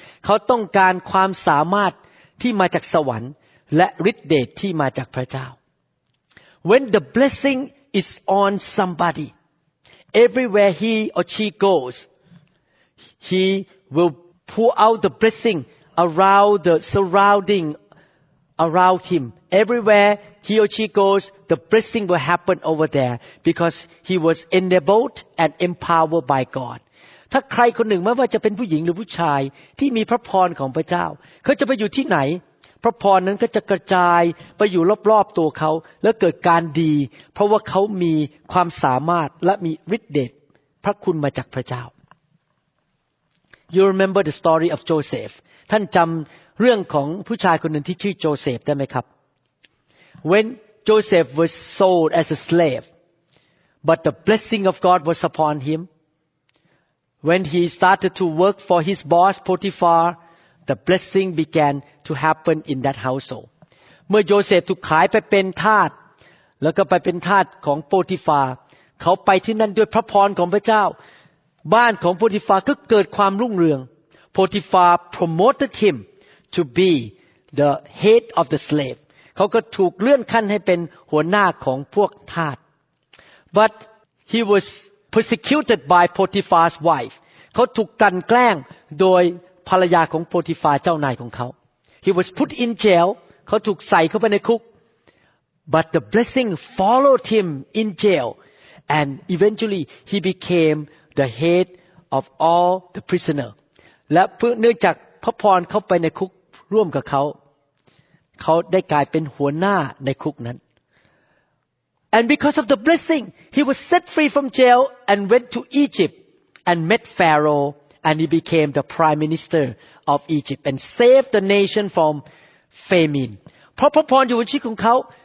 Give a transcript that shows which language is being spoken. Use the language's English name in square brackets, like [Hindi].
[Thai] เขาต้องการความสามารถที่มาจากสวรรค์และฤทธิ์เดชที่มาจากพระเจ้า [English] When the blessing is on somebody, everywhere he or she goes, he will pour out the blessing around the surrounding around him. Everywhere he or she goes, the blessing will happen over there because he was enabled and empowered by God. [Thai] ถ้าใครคนหนึ่งไม่ว่าจะเป็นผู้หญิงหรือผู้ชายที่มีพระพรของพระเจ้าเขาจะไปอยู่ที่ไหนพระพรนั้นก็จะกระจายไปอยู่รอบๆตัวเขาแล้วเกิดการดีเพราะว่าเขามีความสามารถและมีฤทธิ์เดชพระคุณมาจากพระเจ้า [English] You remember the story of Joseph. [Thai] ท่านจำเรื่องของผู้ชายคนหนึ่งที่ชื่อโจเซฟได้ไหมครับ [English] When Joseph was sold as a slave, but the blessing of God was upon him. When he started to work for his boss Potiphar, the blessing began to happen in that household. [Thai] เมื่อโยเซฟถูกขายไปเป็นทาสแล้วก็ไปเป็นทาสของโปติฟาร์เขาไปที่นั่นด้วยพระพรของพระเจ้าบ้านของโปติฟาร์ก็เกิดความรุ่งเรืองโปติฟาร์ [English] promoted him to be the head of the slave. [Thai] เขาก็ถูกเลื่อนขั้นให้เป็นหัวหน้าของพวกทาส [English] But he was persecuted by Potiphar's wife. [Thai] เขาถูกกลั่นแกล้งโดยภรรยาของโปติฟาร์เจ้านายของเขา [English] He was put in jail. [Thai] เขาถูกใส่เข้าไปในคุก [English] But the blessing followed him in jail. And eventually he became the head of all the prisoners. [Thai] และเนื่องจากพระพรเข้าไปในคุกร่วมกับเขาเขาได้กลายเป็นหัวหน้าในคุกนั้น [English] And because of the blessing he was set free from jail and went to Egypt and met Pharaoh and he became the prime minister of Egypt and saved the nation from famine [Thai] เพราะพระพรอยู่บนชีวิตของเขา